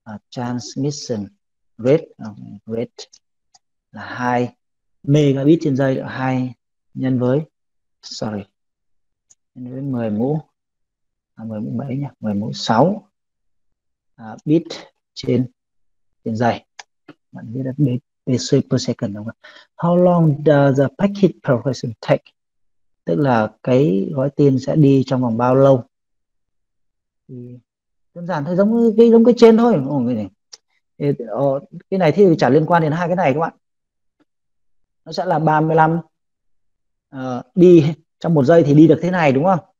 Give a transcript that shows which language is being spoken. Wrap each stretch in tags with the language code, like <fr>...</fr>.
<vi>Transmission rate, rate là 2 megabit trên giây, 2 nhân với, sorry, nhân với 10 mũ, 10 mũ mấy nhỉ, 10 mũ 6 bit trên trên giây. Bạn biết là bit per second đúng không?</vi> <en>How long does the packet progression take?</en> <vi>Tức là cái gói tin sẽ đi trong vòng bao lâu? Thì đơn giản thôi, giống cái trên thôi. Cái này thì chả liên quan đến hai cái này các bạn. Nó sẽ là 35 đi trong một giây thì đi được thế này đúng không?</vi>